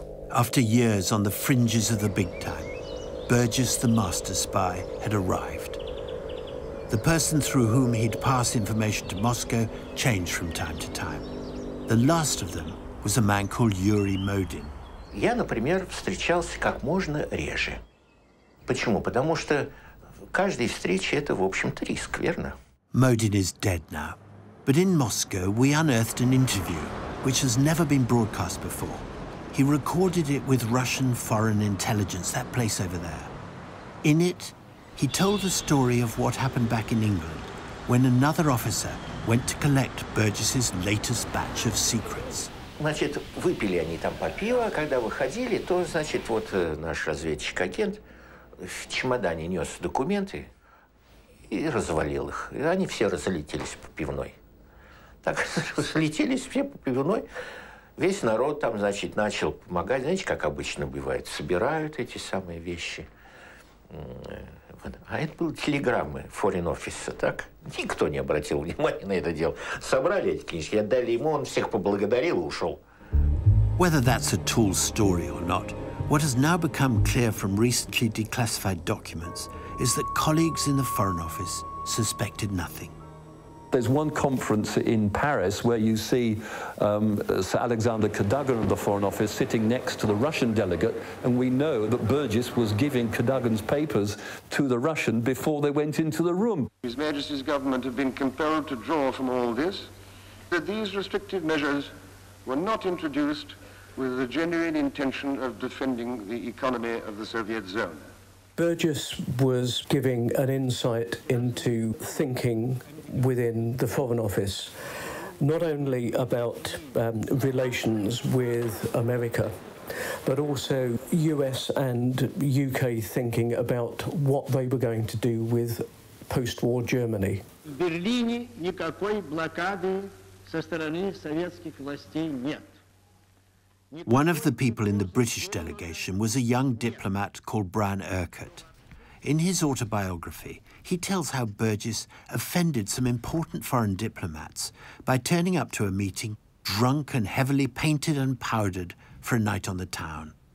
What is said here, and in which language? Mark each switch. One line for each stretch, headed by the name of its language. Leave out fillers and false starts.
English: After years on the fringes of the big time, Burgess, the master spy, had arrived. The person through whom he'd pass information to Moscow changed from time to time. The last of them was a man called Yuri Modin.
Russian: Я, например, встречался как можно реже. Почему? Потому что каждая встреча это, в общем-то, риск, верно?
English: Modin is dead now, but in Moscow we unearthed an interview which has never been broadcast before. He recorded it with Russian Foreign Intelligence, that place over there. In it, he told the story of what happened back in England when another officer went to collect Burgess's latest batch of secrets.
Russian: Значит, выпили они там по пиву, а когда выходили, то, значит, вот наш разведчик-агент в чемодане нес документы и развалил их. И они все разлетелись по пивной. Так разлетелись все по пивной. Весь народ там, значит, начал помогать. Знаете, как обычно бывает, собирают эти самые вещи. А это были телеграммы Foreign Office, так? Никто не обратил внимания на это дело. Собрали эти книжки, отдали ему, он всех поблагодарил и ушел.
English: Whether that's a tall story or not, what has now become clear from recently declassified documents is that colleagues in the Foreign Office suspected nothing. There's one conference in Paris where you see Sir Alexander Cadogan of the Foreign Office sitting next to the Russian delegate, and we know that Burgess was giving Cadogan's papers to the Russian before they went into the room. His Majesty's government have been compelled to draw from all this that these restrictive measures were not introduced with the genuine intention of defending the economy of the Soviet zone. Burgess was giving an insight into thinking within the Foreign Office, not only about relations with America, but also US and UK thinking about what they were going to do with post-war Germany.
Russian: В Берлине никакой блокады со стороны советских властей нет.
English: One of the people in the British delegation was a young diplomat called Bran Urquhart. In his autobiography, he tells how Burgess offended some important foreign diplomats by turning up to a meeting drunk and heavily painted and powdered for a night on the town.